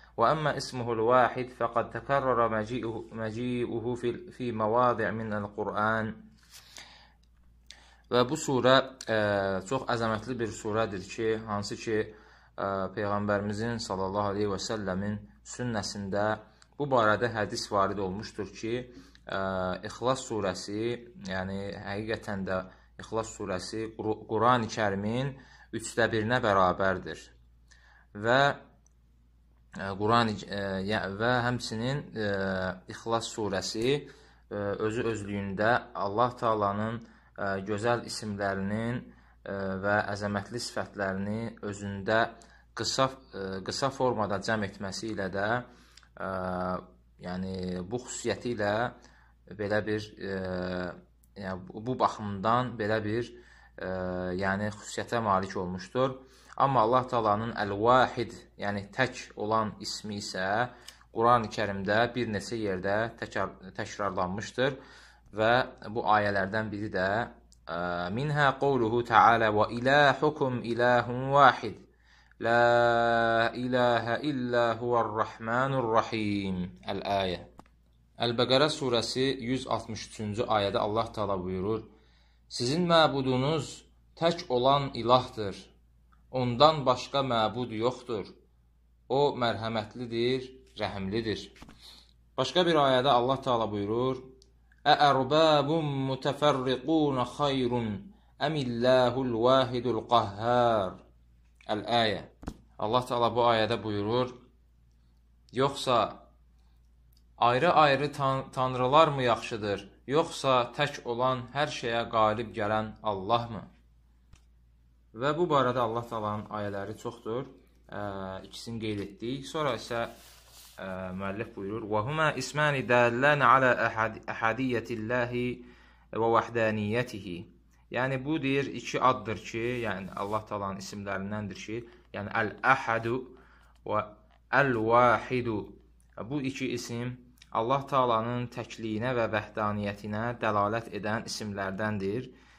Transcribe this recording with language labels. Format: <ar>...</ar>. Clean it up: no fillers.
<ar>وأما اسمه الواحد فقد تكرر مجيئه في مواضع من القرآن.</ar> <az>Və bu surə çox əzəmətli bir surədir ki, hansı ki Peyğəmbərimizin sallallahu aleyhi və səlləmin sünnəsində bu barədə hədis varid olmuşdur ki, İxlas surəsi, yəni həqiqətən də İxlas surəsi Quran-ı Kərimin üçdə birinə bərabərdir. Və həmçinin İxlas surəsi özü özlüyündə Allah Taalanın gözəl isimlərinin və əzəmətli sifətlərini özündə qısa formada cəm etməsi ilə də, yəni bu xüsusiyyəti ilə belə bir, yəni bu baxımdan belə bir, yəni xüsusiyyətə malik olmuşdur. Amma Allah Taalanın Əl-Vahid, yəni tək olan ismi isə Quran-ı Kərimdə bir neçə yerdə təkrarlanmışdır. Və bu ayələrdən biri də</az> <ar>منها قوله تعالى: وإلهكم إله واحد لا إله إلا هو الرحمن الرحيم الآية. البقرة سورة</ar> <az>163-cü ayədə Allah Taala buyurur: "Sizin məbudunuz tək olan ilahdır. Ondan başqa məbud yoxdur. O mərhəmətlidir, rəhimlidir." Başqa bir ayədə Allah Taala buyurur:</az> <ar>أَأَرْبَابٌ مُتَفَرِّقُونَ خَيْرٌ أَمِ اللَّهُ الْوَاحِدُ الْقَهَّارُ الْآيَة.</ar> <az>Allah Teala bu ayədə buyurur: "Yoxsa ayrı-ayrı tanrılar mı yaxşıdır, yoxsa tək olan hər şeyə qalib gələn Allah mı?" Və bu barədə Allah Teala'nın ayələri çoxdur. İkisini qeyd etdik. Sonra isə müəllif buyurur:</az> <ar>وَهُمَا اِسْمَانِ دَالَّانَ عَلَى اَحَدِيَّةِ اللّٰهِ وَوَحْدَانِيَّتِهِ.</ar> <az>Yəni, bu deyir iki addır ki, yəni Allah Teala'nın isimlərindəndir ki, yəni Əl-Əhədu və Əl-Vahidu. Bu iki isim Allah Teala'nın təkliyinə və vəhdaniyyətinə dəlalət edən isimlərdəndir.</az>